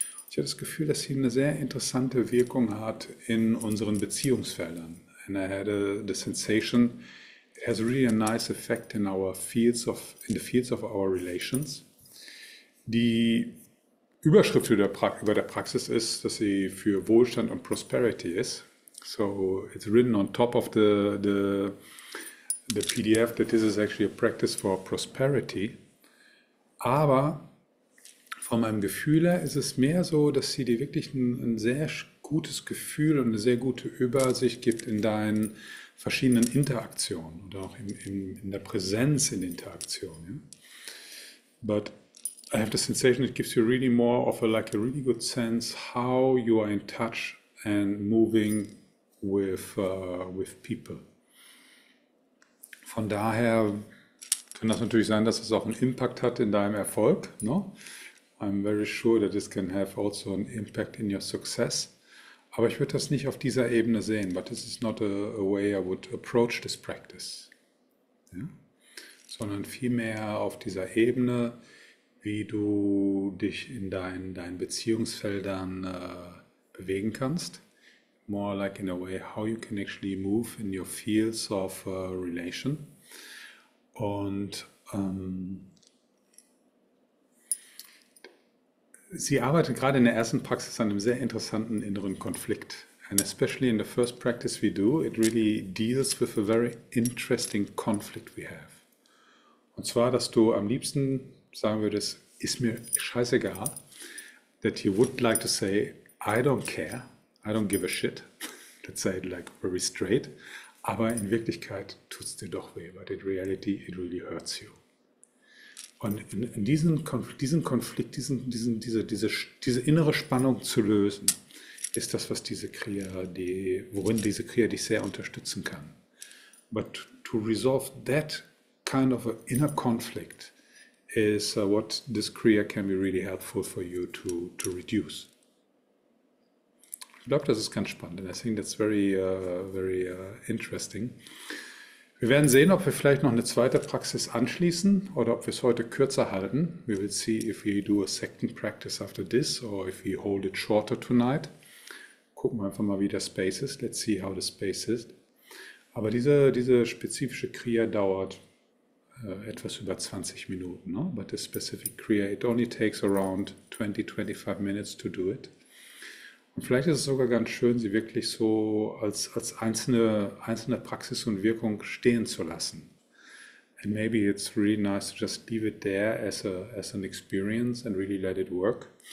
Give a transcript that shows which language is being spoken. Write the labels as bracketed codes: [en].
[de] Ich habe das Gefühl, dass sie eine sehr interessante Wirkung hat in unseren Beziehungsfeldern. [en] And I had the sensation. It has really a nice effect in our fields of, in the fields of our relations. [de] Die Überschrift über der Praxis ist, dass sie für Wohlstand und Prosperity ist. [en] So it's written on top of the PDF that this is actually a practice for prosperity. [de] Aber von meinem Gefühl her ist es mehr so, dass sie dir wirklich ein sehr gutes Gefühl und eine sehr gute Übersicht gibt in deinen verschiedenen Interaktionen oder auch in der Präsenz in Interaktionen. Ja? [en] But I have the sensation it gives you really more of a like a really good sense how you are in touch and moving with people. [de] Von daher kann das natürlich sein, dass es auch einen Impact hat in deinem Erfolg. [en] No? I'm very sure that this can have also an impact in your success. [de] Aber ich würde das nicht auf dieser Ebene sehen, [en] but this is not a way I would approach this practice. [de] Ja? Sondern vielmehr auf dieser Ebene, wie du dich in deinen Beziehungsfeldern bewegen kannst. [en] More like in a way, how you can actually move in your fields of relation. [de] Und sie arbeitet gerade in der ersten Praxis an einem sehr interessanten inneren Konflikt. [en] And especially in the first practice we do, it really deals with a very interesting conflict we have. [de] Und zwar, dass du am liebsten sagen würdest, ist mir scheißegal, [en] that you would like to say, I don't care, I don't give a shit. Let's say it like very straight. [de] Aber in Wirklichkeit tut es dir doch weh, [en] but in reality it really hurts you. [de] Und in diesen Konflikt, diese innere Spannung zu lösen, ist das, was diese Kriya, worin diese Kriya dich sehr unterstützen kann. [en] But to resolve that kind of a inner conflict is what this Kriya can be really helpful for you to reduce. [de] Ich glaube, das ist ganz spannend. [en] And I think that's very interesting. [de] Wir werden sehen, ob wir vielleicht noch eine zweite Praxis anschließen oder ob wir es heute kürzer halten. [en] We will see if we do a second practice after this or if we hold it shorter tonight. [de] Gucken wir einfach mal, wie der Space ist. [en] Let's see how the space is. [de] Aber diese spezifische Kriya dauert etwas über 20 Minuten. [en] No? But the specific Kriya, it only takes around 20, 25 minutes to do it. [de] Und vielleicht ist es sogar ganz schön, sie wirklich so als einzelne Praxis und Wirkung stehen zu lassen. [en] And maybe it's really nice to just leave it there as an experience and really let it work.